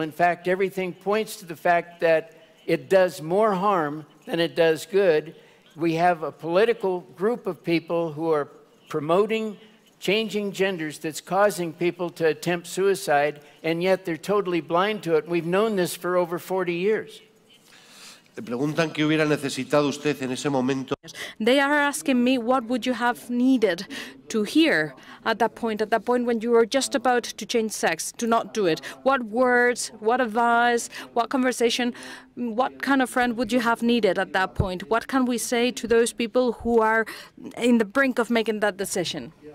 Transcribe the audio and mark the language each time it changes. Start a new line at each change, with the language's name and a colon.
English: In fact, everything points to the fact that it does more harm than it does good. We have a political group of people who are promoting changing genders that's causing people to attempt suicide, and yet they're totally blind to it. We've known this for over 40 years.
Spanish: Preguntan qué hubiera necesitado usted en ese momento.
English: They are asking me what would you have needed to hear at that point when you were just about to change sex, to not do it. What words, what advice, what conversation, what kind of friend would you have needed at that point? What can we say to those people who are in the brink of making that decision?